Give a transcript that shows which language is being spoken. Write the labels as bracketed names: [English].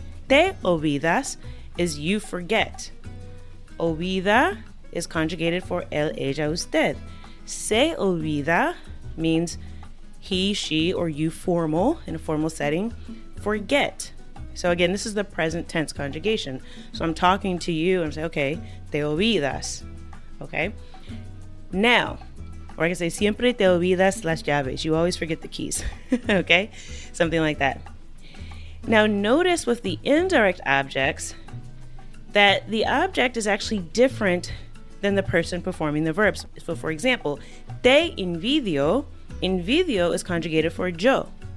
[English] Te olvidas is you forget. Olvida is conjugated for él, ella, usted. Se olvida means he, she, or you formal, in a formal setting, forget. So again, this is the present tense conjugation. So I'm talking to you, and I'm saying, okay, te olvidas, okay? Now, or I can say, [Spanish] siempre te olvidas las llaves. [English] You always forget the keys, okay? Something like that. Now notice with the indirect objects, that the object is actually different than the person performing the verbs. So for example, te envidio, envidio is conjugated for yo.